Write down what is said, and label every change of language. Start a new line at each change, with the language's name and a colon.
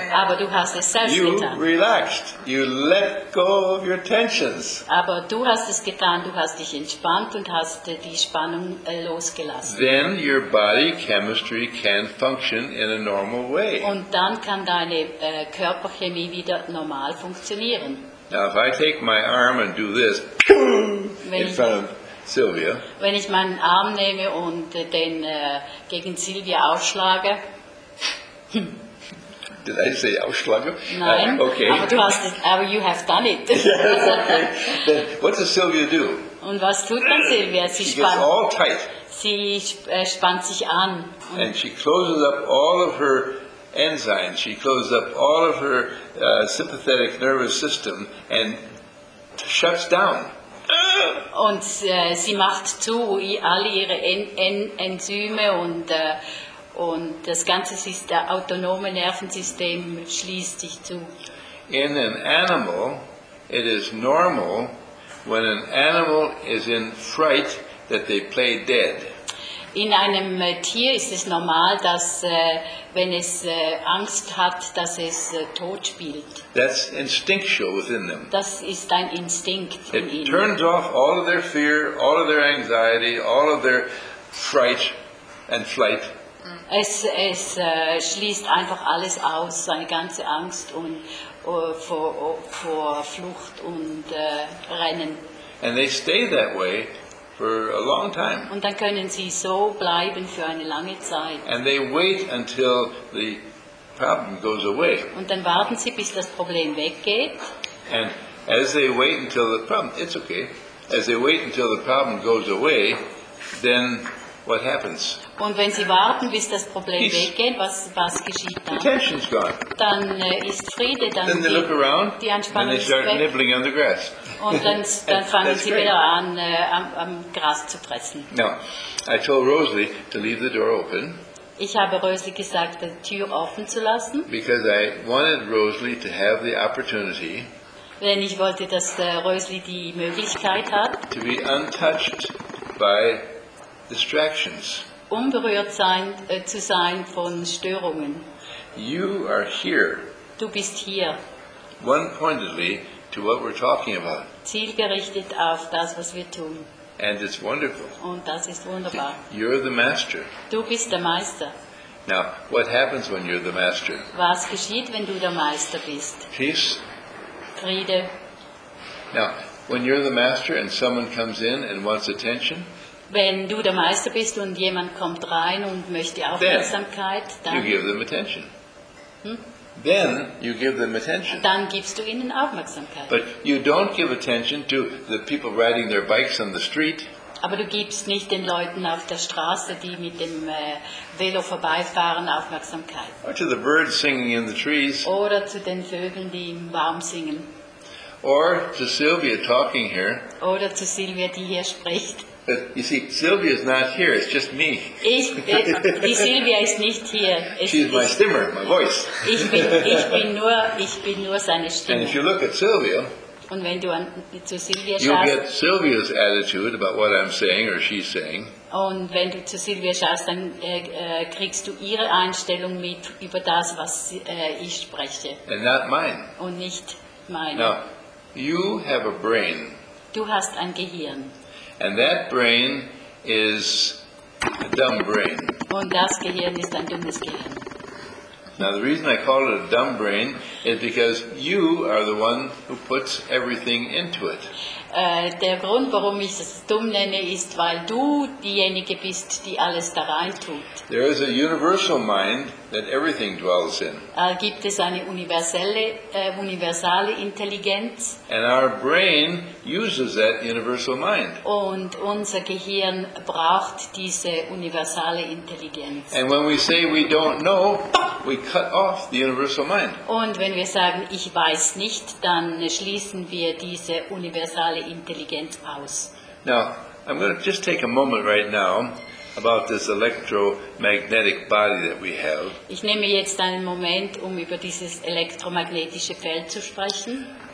German: Aber du hast es selbst
English: you
German: getan.
English: You relaxed. You let go of your tensions.
German: Aber du hast es getan. Du hast dich entspannt und hast die Spannung losgelassen.
English: Then your body chemistry can function in a normal way.
German: Und dann kann deine Körperchemie wieder normal funktionieren.
English: Now if I take my arm and do this, in front of Sylvia.
German: Wenn ich meinen Arm nehme und den gegen Sylvia aufschlage.
English: Did I say Aufschlager?
German: Nein,
English: okay. Aber you have done it. Yes, okay. What does Sylvia do?
German: Und was tut dann Sylvia? Sie
English: she gets all tight.
German: Sie spannt sich an.
English: And she closes up all of her enzymes. She closes up all of her sympathetic nervous system and shuts down.
German: Und sie macht zu alle ihre Enzyme und und das ganze der autonome Nervensystem schließt sich zu.
English: In an animal, it is normal when an animal is in fright that they play dead.
German: In einem Tier ist es normal, dass wenn es Angst hat, dass es tot spielt.
English: That's instinctual within them.
German: Das ist ein Instinkt
English: it
German: in ihnen.
English: It turns off all of their fear, all of their anxiety, all of their fright and flight.
German: Es schließt einfach alles aus, seine ganze Angst und vor Flucht und Rennen.
English: And they stay that way for a long time.
German: Und dann können sie so bleiben für eine lange Zeit.
English: And they wait until the problem goes away.
German: Und dann warten sie, bis das Problem weggeht.
English: And as they wait until the problem, it's okay. As they wait until the problem goes away, then what happens?
German: Und wenn sie warten, bis das Problem weggeht, was geschieht dann?
English: The tension's gone.
German: Dann ist Friede, dann
English: then they look around,
German: die Anspannung
English: and they start
German: weg.
English: Nibbling on the grass.
German: Und dann fangen sie wieder an, am Gras zu fressen.
English: Now, I told Rosalie to leave the door open.
German: Ich habe Rosalie gesagt, die Tür offen zu lassen.
English: Because I wanted Rosalie to have the opportunity.
German: Denn ich wollte, dass Rosalie die Möglichkeit hat.
English: To be untouched by distractions.
German: Unberührt sein, zu sein von Störungen.
English: You are here.
German: Du bist hier.
English: One pointedly to what we're talking about.
German: Zielgerichtet auf das, was wir tun.
English: And it's wonderful.
German: Und das ist wunderbar.
English: You're the master.
German: Du bist der Meister.
English: Now, what happens when you're the master?
German: Was geschieht, wenn du der Meister bist?
English: Peace.
German: Friede.
English: Now, when you're the master and someone comes in and wants attention.
German: Wenn du der Meister bist und jemand kommt rein und möchte Aufmerksamkeit, dann
English: you give them attention. Then you give them attention.
German: Dann gibst du ihnen Aufmerksamkeit.
English: But you don't give attention to the people riding their bikes on the street.
German: Aber du gibst nicht den Leuten auf der Straße, die mit dem Velo vorbeifahren, Aufmerksamkeit.
English: Or to the birds singing in the trees.
German: Oder zu den Vögeln, die im Baum singen.
English: Or to Sylvia talking here.
German: Oder zu Sylvia, die hier spricht.
English: You see, Sylvia is not here, it's just me.
German: Die Sylvia ist nicht hier.
English: She's my stimmer, my voice.
German: Ich bin nur seine Stimme.
English: And if you look at Sylvia,
German: Und wenn du an, zu Silvia
English: schaust, you'll get Sylvia's attitude about what I'm saying or she's saying.
German: Und wenn du zu Silvia schaust, dann kriegst du ihre Einstellung mit über das, was ich spreche.
English: And not mine.
German: Und nicht meine.
English: Now, you have a brain.
German: Du hast ein Gehirn.
English: And that brain is a dumb brain.
German: Und das Gehirn ist ein dummes Gehirn.
English: Now the reason I call it a dumb brain is because you are the one who puts everything into it.
German: Der Grund, warum ich es dumm nenne, ist, weil du diejenige bist, die alles da rein tut.
English: There is a universal mind that everything dwells in.
German: Gibt es eine universale Intelligenz?
English: And our brain uses that universal mind.
German: Und unser Gehirn braucht diese universale Intelligenz.
English: And when we say we don't know, we cut off the universal mind.
German: Und wenn wir sagen, ich weiß nicht, dann schließen wir diese universale Intelligenz aus.
English: Now, I'm going to just take a moment right now about this electromagnetic body that we have.
German: Ich nehme jetzt einen Moment, um über dieses elektromagnetische Feld zu sprechen.